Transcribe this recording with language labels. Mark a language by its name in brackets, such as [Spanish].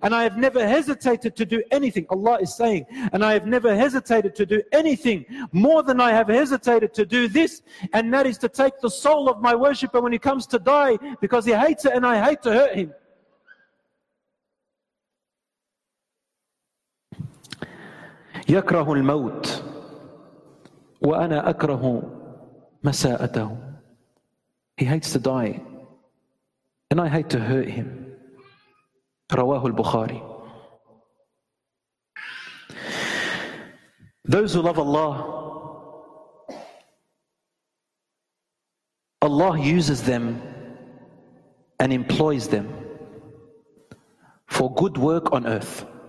[English] And I have never hesitated to do anything. Allah is saying, and I have never hesitated to do anything more than I have hesitated to do this. And that is to take the soul of my worshipper when he comes to die, because he hates it and I hate to hurt him. [Arabic] يكره الموت وأنا أكره مساءته. [English] He hates to die and I hate to hurt him. [Arabic] رواه البخاري. [English] Those who love Allah, Allah uses them and employs them for good work on earth.